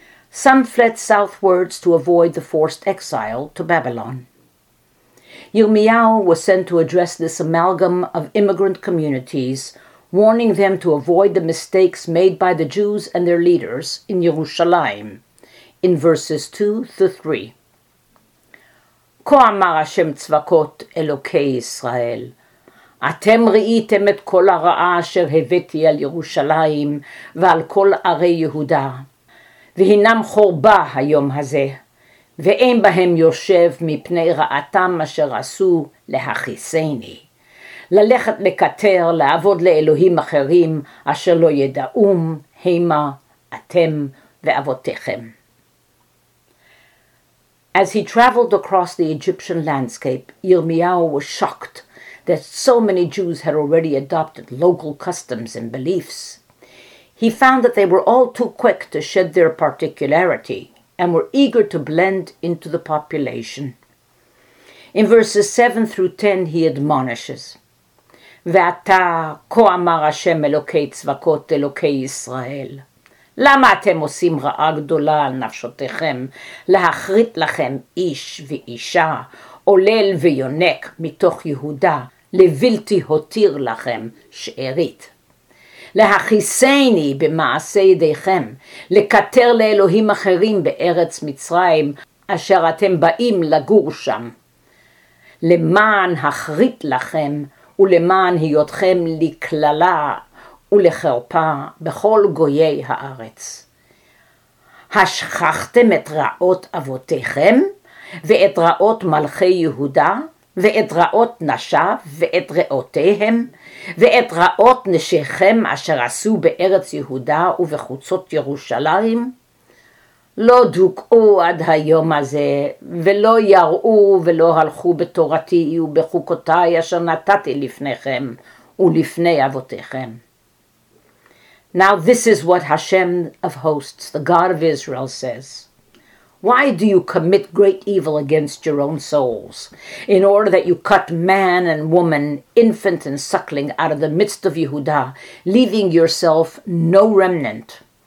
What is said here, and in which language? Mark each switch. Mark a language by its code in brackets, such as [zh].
[en] Some fled southwards to avoid the forced exile to Babylon. Yirmiyahu was sent to address this amalgam of immigrant communities, warning them to avoid the mistakes made by the Jews and their leaders in Yerushalayim, in verses 2-3. [he] Ko amar Hashem Tzvakot Elokei Yisrael, אתם ראיתם את כל הרעה אשר הבאתי על ירושלים ועל כל ערי יהודה, והינם חורבה היום הזה, ואין בהם יושב מפני רעתם אשר עשו להכיסני. ללכת לקטר, לעבוד לאלוהים אחרים אשר לא ידעום, הימה, אתם ואבותיכם. [en] As he traveled across the Egyptian landscape, Yirmiyahu was shocked that so many Jews had already adopted local customs and beliefs. He found that they were all too quick to shed their particularity and were eager to blend into the population. In verses 7 through 10, he admonishes, [he] Ve'ata koh amar Hashem Elokei Tzvakot Elokei Yisrael, Lama atem osim ra'a gdola al nafshotechem lahachrit lachem ish ve'isha, olel ve'yonek mitoch Yehuda, לבלתי הותיר לכם שארית. להכיסני במעשה ידיכם, לקטר לאלוהים אחרים בארץ מצרים, אשר אתם באים לגור שם. למען הכרית לכם, ולמען היותכם לקללה ולחרפה בכל גויי הארץ. השכחתם את רעות אבותיכם ואת רעות מלכי יהודה? ואת רעות נשיו, ואת רעותיהם, ואת רעות נשיכם אשר עשו בארץ יהודה ובחוצות ירושלים? לא דוקאו עד היום הזה, ולא יראו ולא הלכו בתורתי ובחוקותיי אשר נתתי לפניכם ולפני אבותיכם. [en] Now this is what Hashem of hosts, the God of Israel, says. Why do you commit great evil against your own souls, in order that you cut man and woman, infant and suckling, out of the midst of Yehuda, leaving yourself no remnant?